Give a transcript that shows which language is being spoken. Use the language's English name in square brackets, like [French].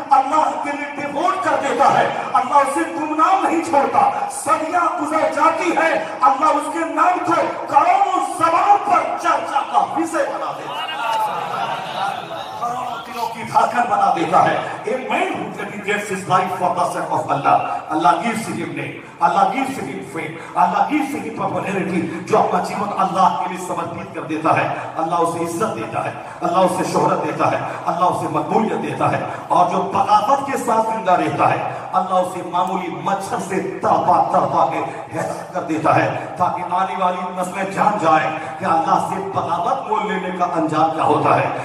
[Hindi] अल्लाह के लिए डिवोट कर देता है अल्लाह उसे गुमनाम नहीं छोड़ता, सदियां गुजर जाती है अल्लाह उसके नाम को करोड़ों जबान पर चर्चा का विषय बना देता है, धाकर बना देता है। [English] Amen. Gives his life for the sake of Allah. Allah gives him name. Allah gives him fame. Allah gives him popularity. [Hindi] जो अपना जीवन अल्लाह के लिए समर्पित कर देता है, अल्लाह उसे इज्जत देता है, अल्लाह उसे शोहरत देता है, अल्लाह उसे मकबूलियत देता है। और जो बगावत के साथ जिंदा रहता है, अल्लाह उसे मामूली मच्छर से तड़पा तड़पा के हैरान कर देता है ताकि आने वाली नस्लें जान जाए कि अल्लाह से बगावत मोल लेने का अंजाम क्या होता है।